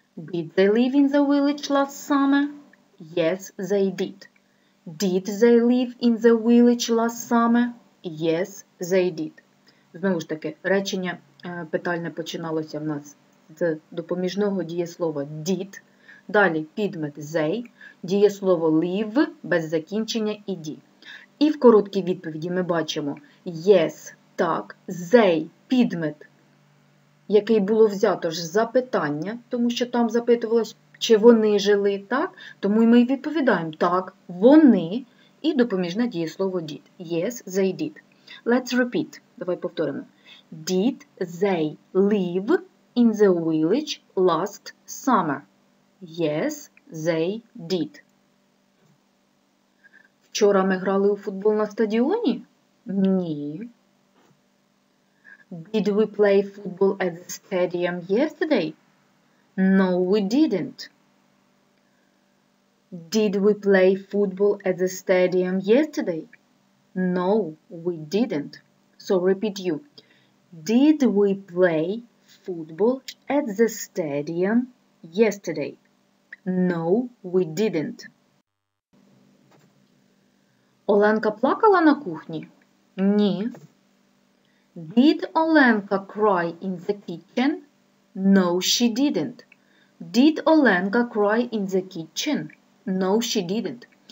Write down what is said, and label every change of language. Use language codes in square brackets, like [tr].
[en] Did they live in the village last summer? Yes, they did. Did they live in the village last summer? Yes, they did. [uk] Знову ж таки, речення питальне починалося в нас з допоміжного дієслова did. Далі підмет they, дієслово live без закінчення і did. І в короткій відповіді ми бачимо yes, так, they, підмет, який було взято ж запитання, тому що там запитувалось, чи вони жили, так? Тому ми й відповідаємо так, вони, і допоміжне дієслово did. [en] Yes, they did. Let's repeat. [uk] Давай повторимо. [en] Did they live in the village last summer? Yes, they did. [uk] Вчора ми грали у футбол на стадіоні? Ні. [en] Did we play football at the stadium yesterday? No, we didn't. Did we play football at the stadium yesterday? No, we didn't. So repeat you. Did we play football at the stadium yesterday? No, we didn't. [uk] Оленка плакала на кухні? Ні. [en] Did Оленка cry in the kitchen? No, she didn't. Did Оленка cry in the kitchen? No, she didn't.